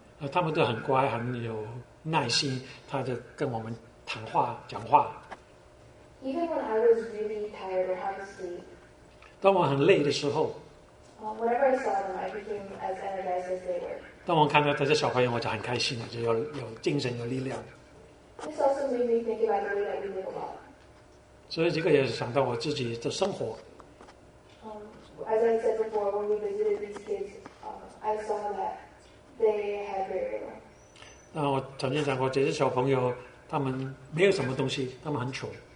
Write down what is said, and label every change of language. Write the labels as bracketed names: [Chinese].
[Chinese] 他们都很乖，很有耐心，他就跟我们谈话讲话。 [English] Even when I was really tired or half asleep, [Chinese] 当我很累的时候 [English] whenever I saw them, I became as energized as they were. [Chinese] 当我看到这些小朋友，我就很开心了，就有精神，有力量。 [English] This also made me think about the way that we live a lot. [Chinese] 所以这个也是想到我自己的生活。 [English] As I said before, when we visited these kids, I saw that they had very little. [Chinese] 那我曾经讲过，这些小朋友他们没有什么东西，他们很穷。